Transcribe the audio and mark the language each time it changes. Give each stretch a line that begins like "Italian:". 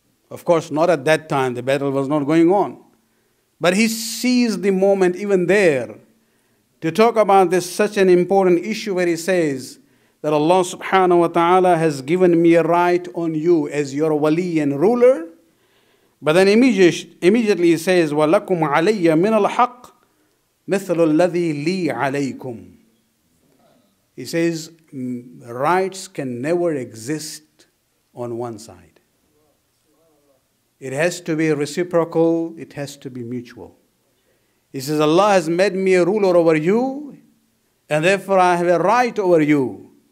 English: Of course, not at that time, the battle was not going on. But he seized the moment even there to talk about this such an important issue where he says that Allah subhanahu wa ta'ala has given me a right on you as your wali and ruler. But then immediately he says,
Arabic: وَلَكُمْ عَلَيَّ مِنَ الْحَقِّ مِثْلُ الَّذِي لِي عَلَيْكُمْ.
English: He says, rights can never exist on one side. It has to be reciprocal, it has to be mutual. He says, Allah has made me a ruler over you, and therefore I have a right over you.